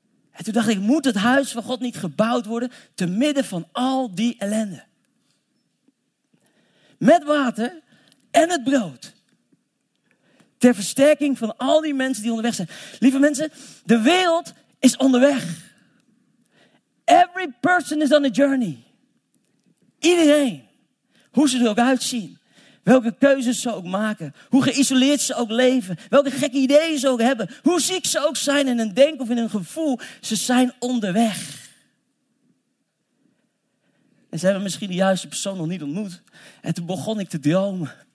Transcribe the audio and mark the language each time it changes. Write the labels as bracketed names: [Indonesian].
[Dutch] En toen dacht ik, moet het huis van God niet gebouwd worden te midden van al die ellende? Met water en het brood. Ter versterking van al die mensen die onderweg zijn. Lieve mensen, de wereld is onderweg. [English] Every person is on a journey. [Dutch] Iedereen. Hoe ze er ook uitzien. Welke keuzes ze ook maken. Hoe geïsoleerd ze ook leven. Welke gekke ideeën ze ook hebben. Hoe ziek ze ook zijn in hun denken of in hun gevoel. Ze zijn onderweg. En ze hebben misschien de juiste persoon nog niet ontmoet. En toen begon ik te dromen.